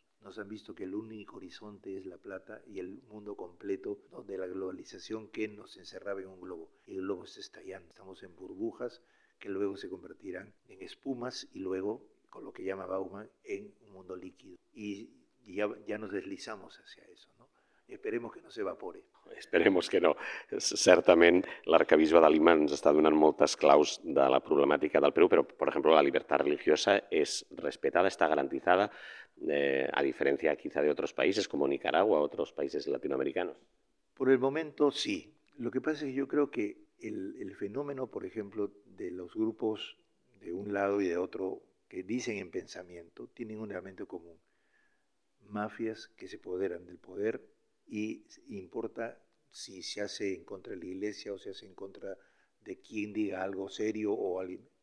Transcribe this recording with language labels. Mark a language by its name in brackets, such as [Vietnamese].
[Spanish] Nos han visto que el único horizonte es la plata y el mundo completo, ¿no?, de la globalización, que nos encerraba en un globo. Y el globo se está estallando. Estamos en burbujas que luego se convertirán en espumas y luego, con lo que llama Bauman, en un mundo líquido. Y ya nos deslizamos hacia eso, ¿no? [Catalan] i esperem que no s'evapori. Esperem que no. Certament, l'arcabisbe de Lima ens està donant moltes claus de la problemàtica del Perú, però, per exemple, la llibertat religiosa és respetada, està garantizada, a diferència, quizá, de altres països, com Nicaragua o altres països latinoamericanos. [Spanish] Por el momento, sí. Lo que pasa es que yo creo que el fenómeno, por ejemplo, de los grupos de un lado y de otro que dicen en pensamiento, tienen un elemento común. Mafias que se apoderan del poder y importa si se hace en contra de la iglesia o se hace en contra de quien diga algo serio o alguien.